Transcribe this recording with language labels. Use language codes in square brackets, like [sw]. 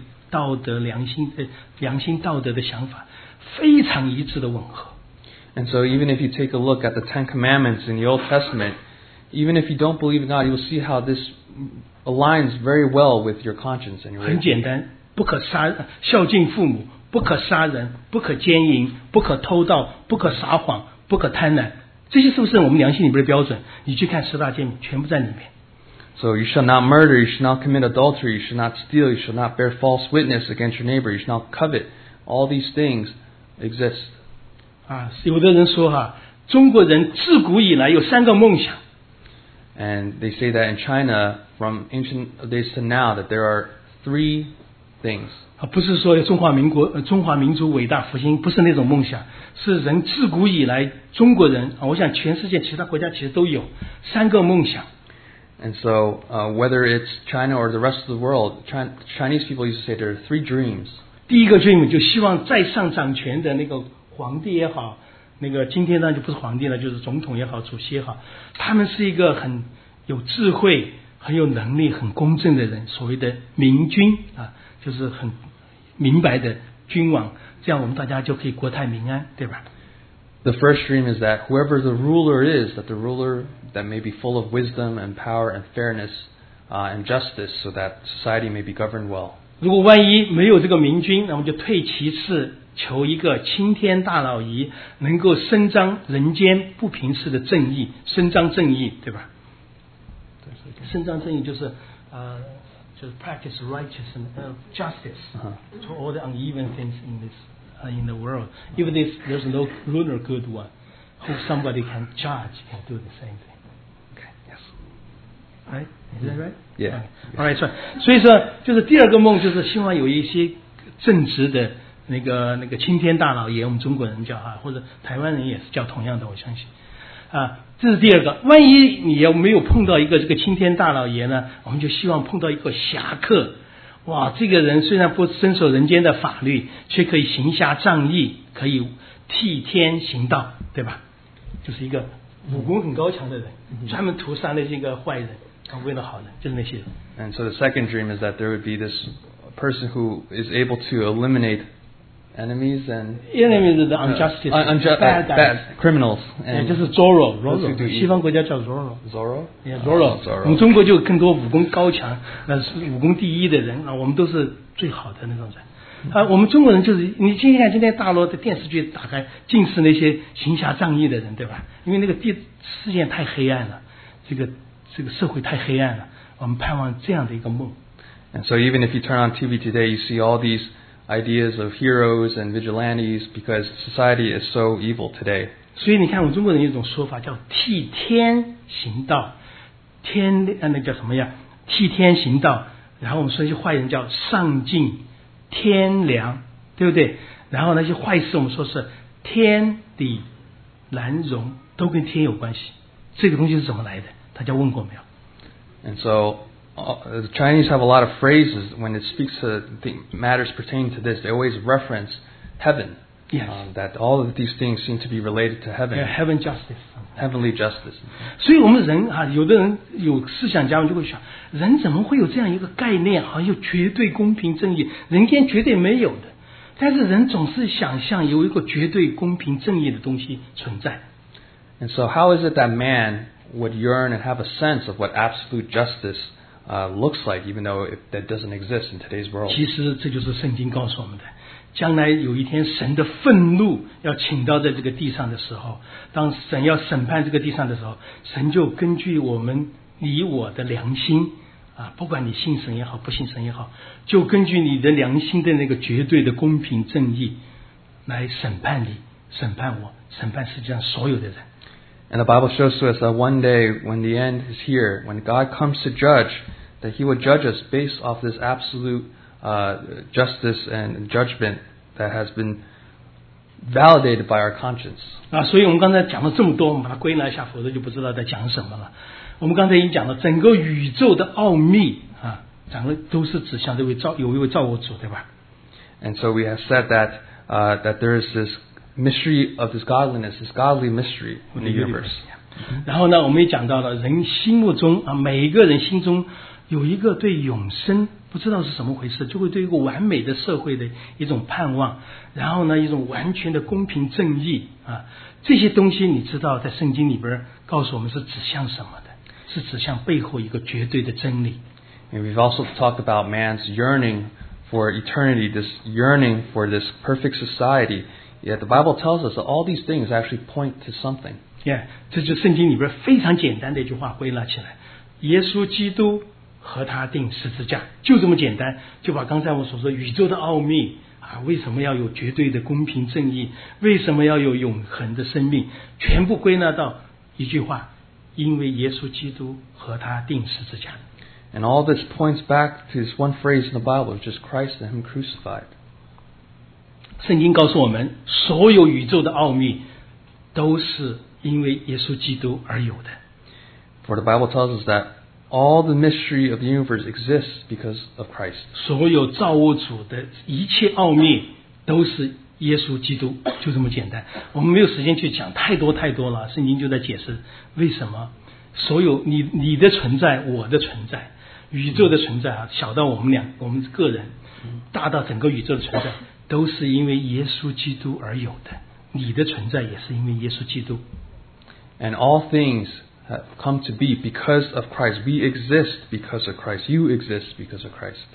[zh] 你去对比旧约啊，以色列人在3500年前写所的十大诫命，再对比你每一个人心里边你对道德良心、良心道德的想法。非常一致的吻合。 [en] And so even if you take a look at the Ten Commandments in the Old Testament, even if you don't believe in God, you'll see how this aligns very well with your conscience and your [zh] 很简单, 不可杀, 孝敬父母, 不可杀人, 不可奸淫, 不可偷盗, 不可撒谎, 不可贪婪, 这些是不是我们良心里面的标准? 你去看十大诫命, 全部在里面。 [en] So you shall not murder, you shall not commit adultery, you shall not steal, you shall not bear false witness against your neighbor, you shall not covet, all these things exist. [zh] 啊, 有的人说啊, 中国人自古以来有三个梦想。 [en] And they say that in China, from ancient days to now, that there are three things. [zh] 啊, 不是说中华民国, 中华民族伟大复兴, 不是那种梦想, 是人自古以来, 中国人, 啊, 我想全世界其他国家其实都有, 三个梦想。 [en] And so, whether it's China or the rest of the world, Chinese people used to say there are three dreams. [zh] 第一个dream就希望在上掌权的那个皇帝也好, 那个今天呢就不是皇帝了，就是总统也好，主席也好，他们是一个很有智慧、很有能力、很公正的人，所谓的明君啊，就是很明白的君王，这样我们大家就可以国泰民安，对吧？ [en] The first dream is that whoever the ruler is, that the ruler that may be full of wisdom and power and fairness, and justice, so that society may be governed well. [zh] 如果万一没有这个明君，那么就退其次。求一个青天大老爷能够伸张人间不平事的正义，伸张正义，对吧？伸张正义就是就是 [en] practice righteousness, justice to all the uneven things in this in the world. Even if there's no lunar good one, who somebody can judge can do the same thing. Okay, yes. Right? Is that right? Yeah. Alright, so [zh] 所以说就是第二个梦，就是希望有一些正直的那个青天大老爷，我们中国人叫啊，或者台湾人也是叫同样的，我相信啊，这是第二个。万一你要没有碰到一个这个青天大老爷呢，我们就希望碰到一个侠客，哇，这个人虽然不遵守人间的法律，却可以行侠仗义，可以替天行道，对吧？就是一个武功很高强的人，专门屠杀那些个坏人，为了好人，就是那些。 [en] And so the second dream is that there would be this person who is able to eliminate enemies and enemies of the unjust, bad criminals, and [zh] yeah, 就是 Zorro, 西方国家叫 Zorro, [en] Zorro, yeah, Zorro, oh, Zorro. [zh] 我们中国就更多武功高强，那是武功第一的人，那我们都是最好的那种人。啊，我们中国人就是你今天大陆的电视剧打开，尽是那些行侠仗义的人，对吧？因为那个世界太黑暗了，这个社会太黑暗了，我们盼望这样的一个梦。 [en] And so even if you turn on TV today, you see all these ideas of heroes and vigilantes because society is so evil today. [zh] 所以你看我们中国人有一种说法叫替天行道，天那叫什么呀，替天行道，然后我们说那些坏人叫丧尽天良，对不对？然后那些坏事我们说是天理难容，都跟天有关系，这个东西是怎么来的，大家问过没有？ [en] And soThe Chinese have a lot of phrases when it speaks to matters pertaining to this. They always reference heaven. Yes. That all of these things seem to be related to heaven. Yeah, heaven justice. Heavenly justice. [zh] 所以我们人啊，有的人有思想家们就会想，人怎么会有这样一个概念，好像有绝对公平正义，人间绝对没有的。但是人总是想象有一个绝对公平正义的东西存在。 [en] And so how is it that man would yearn and have a sense of what absolute justice looks like, even though that doesn't exist in today's world. [zh] 其实这就是圣经告诉我们的，将来有一天神的愤怒要倾倒在这个地上的时候，当神要审判这个地上的时候，神就根据我们你我的良心啊，不管你信神也好，不信神也好，就根据你的良心的那个绝对的公平正义来审判你，审判我，审判世界上所有的人。 [en] And the Bible shows to us that one day when the end is here, when God comes to judge, that he will judge us based off this absolute justice and judgment that has been validated by our conscience. [zh] 啊，所以我们刚才讲了这么多，我们把它归纳一下，否则就不知道在讲什么了。我们刚才已经讲了整个宇宙的奥秘啊，讲的都是指向这位造，有一位造物主，对吧？ [en] And so we have said that, that there is this mystery of this godliness, this godly mystery in the universe. [zh] 然后呢，我们也讲到了人心目中啊，每一个人心中有一个对永生不知道是什么回事，就会对一个完美的社会的一种盼望，然后呢，一种完全的公平正义啊，这些东西你知道在圣经里边告诉我们是指向什么的，是指向背后一个绝对的真理。 [en] And we've also talked about man's yearning for eternity, this yearning for this perfect society. Yeah, the Bible tells us that all these things actually point to something. [zh] Yeah, 这就是圣经里边非常简单的一句话归纳起来，耶稣基督和他钉十字架，就这么简单，就把刚才我所说宇宙的奥秘啊，为什么要有绝对的公平正义，为什么要有永恒的生命，全部归纳到一句话，因为耶稣基督和他钉十字架。 [en] And all this points back to this one phrase in the Bible, which is Christ and Him crucified. [zh] 圣经告诉我们，所有宇宙的奥秘都是因为耶稣基督而有的。 [en] For the Bible tells us that all the mystery of the universe exists because of Christ. [zh] 所有造物主的一切奥秘都是耶稣基督，就这么简单。我们没有时间去讲太多太多了，圣经就在解释为什么所有 你的存在，我的存在，宇宙的存在啊，小到我们俩我们个人，大到整个宇宙的存在，都是因为耶稣基督而有的。你的存在也是因为耶稣基督。 [en] And all things have come to be because of Christ. We exist because of Christ. You exist because of Christ.